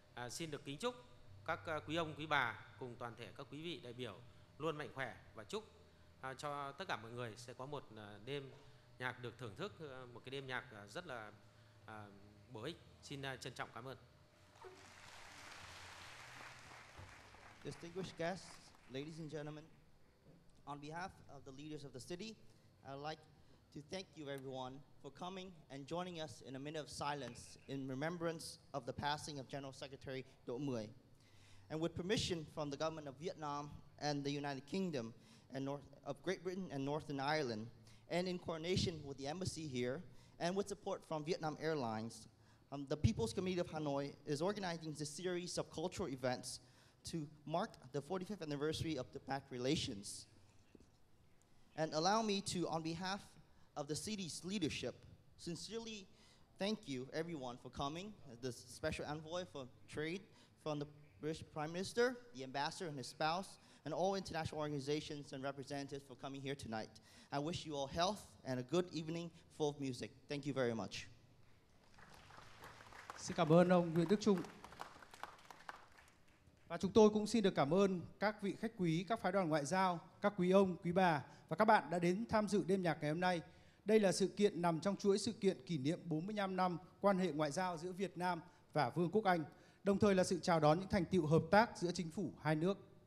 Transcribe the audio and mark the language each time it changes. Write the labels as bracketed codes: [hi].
[vi] Xin được kính chúc các quý ông, quý bà cùng toàn thể các quý vị đại biểu luôn mạnh khỏe và chúc cho tất cả mọi người sẽ có một đêm nhạc được thưởng thức, một cái đêm nhạc rất là bổ ích. Xin trân trọng cảm ơn. [en] Distinguished guests, ladies and gentlemen, on behalf of the leaders of the city, I'd like to thank you everyone for coming and joining us in a minute of silence in remembrance of the passing of General Secretary Do Muoi. And with permission from the government of Vietnam and the United Kingdom and of Great Britain and Northern Ireland, and in coordination with the embassy here, and with support from Vietnam Airlines, the People's Committee of Hanoi is organizing this series of cultural events to mark the 45th anniversary of diplomatic relations. And allow me to, on behalf of the city's leadership, sincerely thank you everyone for coming, the special envoy for trade from the British Prime Minister, the ambassador and his spouse, and all international organizations and representatives for coming here tonight. I wish you all health and a good evening full of music. Thank you very much. [vi] Xin cảm ơn ông Nguyễn Đức Trung. Và chúng tôi cũng xin được cảm ơn các vị khách quý, các phái đoàn ngoại giao, các quý ông, quý bà và các bạn đã đến tham dự đêm nhạc ngày hôm nay. Đây là sự kiện nằm trong chuỗi sự kiện kỷ niệm 45 năm quan hệ ngoại giao giữa Việt Nam và Vương quốc Anh, đồng thời là sự chào đón những thành tựu hợp tác giữa chính phủ hai nước.